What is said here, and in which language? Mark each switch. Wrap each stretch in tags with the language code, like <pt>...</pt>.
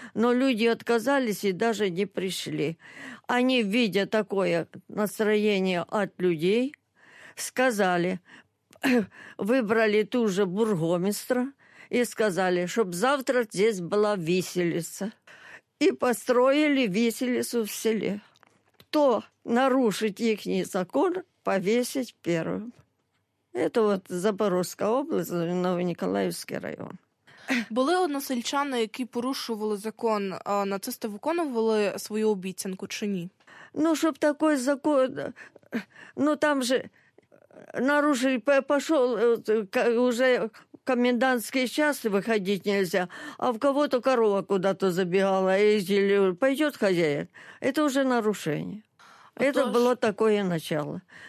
<ru>Но люди отказались и даже не пришли. Они, видя такое настроение от людей, сказали, выбрали ту же бургомистра и сказали, чтобы завтра здесь была виселица. И построили виселицу в селе. Кто нарушит их закон, повесить первым. Это вот Запорізька область, Новониколаївський район.</ru> <uk>Були односельчани, які порушували закон, а нацисти виконували свою обіцянку чи ні?</uk> <ru>Ну,</ru> <uk>щоб такий закон,</uk> <ru>ну там же нарушили, пошел уже комендантский час, выходить нельзя, а в кого-то корова куда-то забегала, ездили, пойдет хозяин. Это уже нарушение. Это было такое начало.</ru>